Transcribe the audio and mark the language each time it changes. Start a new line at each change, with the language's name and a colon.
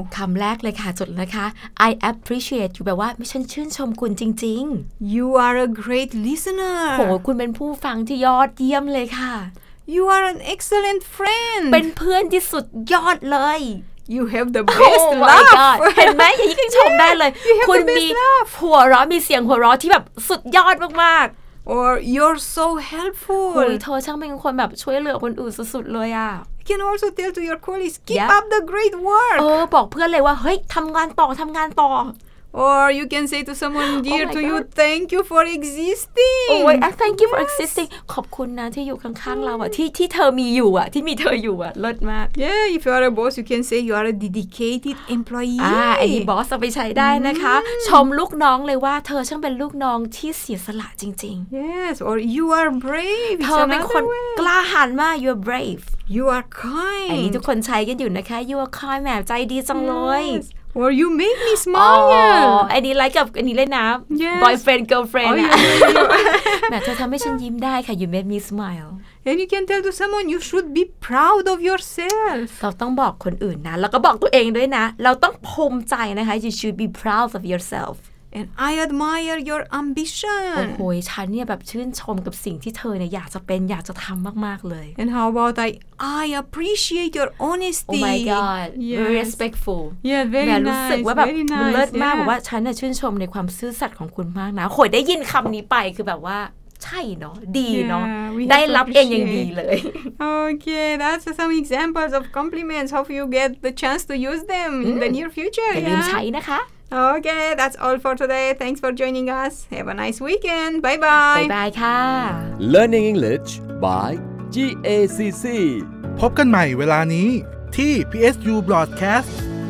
Thai: คำแรกเลยค่ะสุดนะคะ
English: I appreciate you
Thai: แปลว่าฉันชื่นชมคุณจริง
English: ๆ You are a great listener
Thai: โหคุณเป็นผู้ฟังที่ยอดเยี่ยมเลยค่ะ
English: You are an excellent friend
Thai: เป็นเพื่อนที่สุดยอดเลย
English: You have the best laugh. Oh my god.
Thai: เห็นไหมอย่างนี้ก็ชมได้เลยคุ ณมี หัวเราะมีเสียงหัวเราะที่แบบสุดยอดมาก
English: ๆ Or you're so helpful.
Thai: เธอช่างเป็นคนแบบช่วยเหลือคนอื่นสุดๆเลยอ่ะ
English: Can also tell to your colleagues, keep up the great work.
Thai: เออบอกเพื่อนเลยว่าเฮ้ยทำงานต่อทำงานต่อ
English: Or you can say to someone dear to you, thank you for existing. Oh my god, thank you for existing.
Thai: ขอบคุณนะที่อยู่ข้างๆเราอ่ะที่เธอมีอยู่อ่ะที่มีเธออยู่อ่ะเลิศมาก
English: Yeah, if you are a boss, you can say you are a dedicated employee.
Thai: ไอ้บอสเอาไปใช้ได้นะคะชมลูกน้องเลยว่าเธอช่างเป็นลูกน้องที่เสียสละจริง
English: ๆ Yes, or you are brave.
Thai: เธอเป็นคนกล้าหาญมาก
English: You are brave. You are kind. อั
Thai: นนี้ทุกคนใช้กันอยู่นะคะ
English: You are kind
Thai: แหมใจดีจังเลย
English: Or you make me smile.
Thai: อันนี้ไลค์กับอันนี้เลยนะ Boyfriend girlfriend แหมเธอทำให้ฉันยิ้มได้ค่ะ
English: You make me smile. And you can tell to someone you should be proud of yourself.
Thai: เราต้องบอกคนอื่นนะแล้วก็บอกตัวเองด้วยนะเราต้องภูมิใจนะคะ
English: You should be proud of yourself. And I admire your ambition.
Thai: โอ้โหฉันเนี่ยแบบชื่นชมกับสิ่งที่เธอเนี่ยอยากจะเป็นอยากจะทำมากๆเลย
English: And how about I appreciate your honesty. Oh my god, yes. very respectful. Yeah, very nice.
Thai: แม่รู้ สึกว่าแบบเลิศมากบอกว่าฉันน่ะชื่นชมในความซื่อสัตย์ของคุณมากนะโอ้ยได้ยินคำนี้ไปคือแบบว่าใช่เนาะดีเนาะได้รับเองอย่างดีเลย
English: Okay, that's some examples of compliments. Hope you get the chance to use them in the near future.
Thai: อย่าลืมใช้นะคะ
English: Okay, that's all for today. Thanks for joining us. Have a nice weekend. Bye-bye. Bye-bye, ค่ะ Learning English by GACC.
Thai: พบกันใหม่เวลานี้ที่ PSU Broadcast.